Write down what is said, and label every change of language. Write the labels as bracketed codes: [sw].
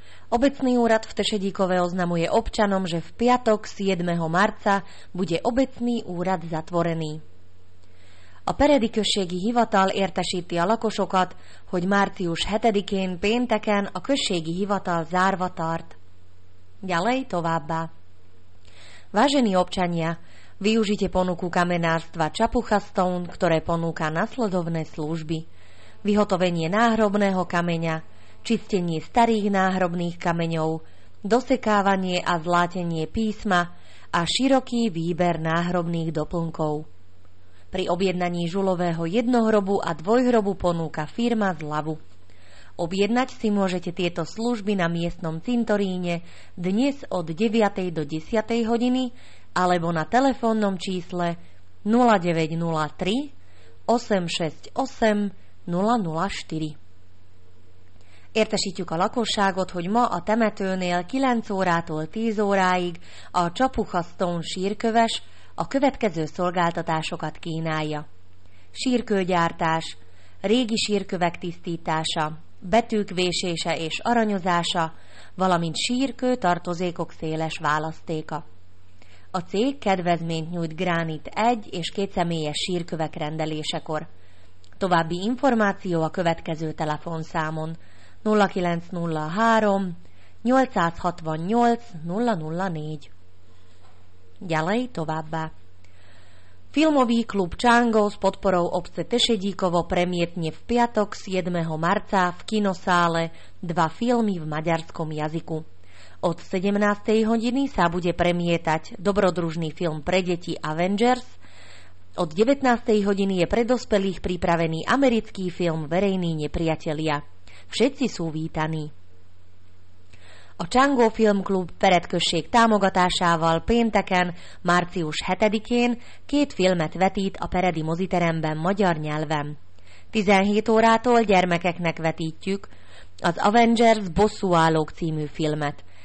[sk] Obecný úrad v Tešedíkove oznamuje občanom, že v piatok 7. marca bude obecný úrad zatvorený. [hu] A peredikösségi hivatal értesíti a lakosokat, hogy március 7-én pénteken a községi hivatal zárva tart. [sk] Ďalej [hu] továbbá. [sk] Vážení občania, využite ponuku kamenárstva Čapucha Stone, ktoré ponúka nasledovné služby. Vyhotovenie náhrobného kameňa, čistenie starých náhrobných kameňov, dosekávanie a zlátenie písma a široký výber náhrobných doplnkov. Pri objednaní žulového jednohrobu a dvojhrobu ponúka firma zľavu. Objednať si môžete tieto služby na miestnom cintoríne dnes od 9. do 10. hodiny alebo na telefónnom čísle 0903 868 004. [hu] Értesítjük a lakosságot, hogy ma a temetőnél 9 órától 10 óráig a Csapucha Stone sírköves a következő szolgáltatásokat kínálja. Sírkőgyártás, régi sírkövek tisztítása, betűk vésése és aranyozása, valamint sírkő tartozékok széles választéka. A cég kedvezményt nyújt gránit 1 és 2 személyes sírkövek rendelésekor. További információ a következő telefonszámon 0903 868 004. [sk] Ďalej [hu] továbbá. [sk] Filmový klub Čango s podporou obce Tešedíkovo premietne v piatok 7. marca v kinosále dva filmy v maďarskom jazyku. Od 17. hodiny sa bude premietať dobrodružný film pre deti Avengers. Od 19. hodiny je pre dospelých pripravený americký film Verejný nepriatelia. Všetci sú vítaní. [hu] A Csángó Filmklub peredkösség támogatásával pénteken, március 7-én két filmet vetít a peredi moziteremben magyar nyelven. 17 órától gyermekeknek vetítjük az Avengers Bosszúállók című filmet.